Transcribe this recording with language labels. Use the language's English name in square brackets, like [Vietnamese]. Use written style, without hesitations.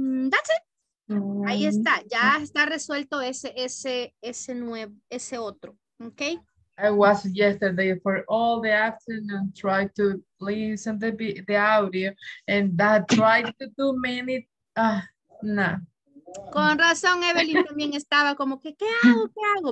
[English] That's it. [Spanish] Ahí está, ya está resuelto ese nuevo, ese otro, ok. [English] I was yesterday for all the afternoon trying to listen the audio and that tried to do many. [Spanish] Con razón, Evelyn también estaba como que, ¿qué hago?